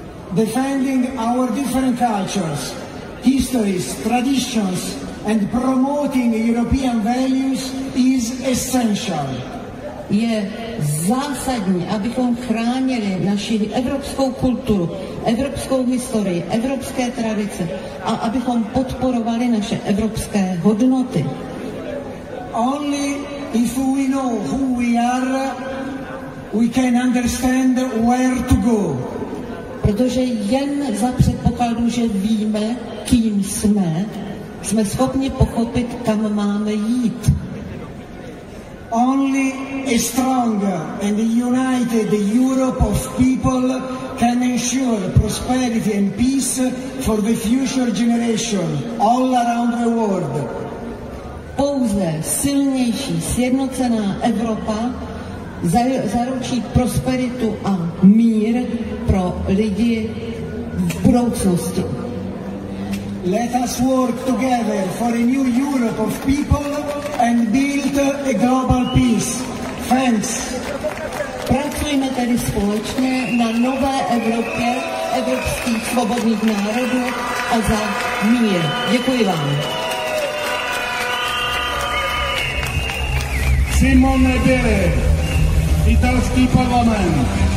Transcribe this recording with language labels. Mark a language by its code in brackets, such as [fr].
[en] Defending our different cultures, histories, traditions and promoting European values is essential. [cs] Je zásadní, abychom chránili naši evropskou kulturu, evropskou historii, evropské tradice a abychom podporovali naše evropské hodnoty. [en] Only if we know who we are, we can understand where to go. [cs] Protože jen za předpokladu, že víme, kým jsme schopni pochopit, kam máme jít. [en] Only a strong and united Europe of people can ensure prosperity and peace for the future generation all around the world. [cs] Pouze silnější, sjednocená Evropa zaručí prosperitu a mír pro lidi v budoucnosti. [en] Let us work together for a new Europe of people and build a global peace. Thanks. [cs] Pracujeme tedy společně na nové Evropě evropských svobodných národů a za mír. Děkuji vám. Simone Bele, italský parlament.